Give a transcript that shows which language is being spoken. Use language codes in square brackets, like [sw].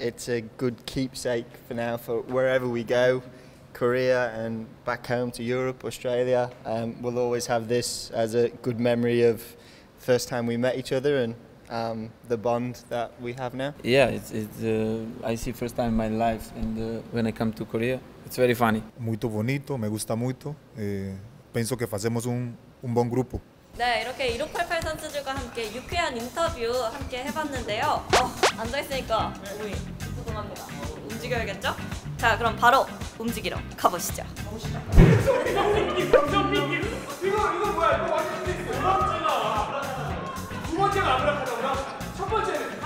[en] It's a good keepsake for now, for wherever we go, Korea and back home to Europe, Australia. We'll always have this as a good memory of first time we met each other and the bond that we have now. Yeah, it's I see first time in my life, and when I come to Korea, it's very funny. [pt] Muito bonito, [es] me gusta mucho. Penso que hacemos un buen grupo. [ko] 네, 이렇게 1588 선수들과 함께 유쾌한 인터뷰 함께 해봤는데요. 앉아 있으니까 몸이 부동합니다. 움직여야겠죠? 자, 그럼 바로 움직이러 가보시죠. 이거 뭐야? 이거 완전 두 번째가 아무렇다고요? 첫 번째.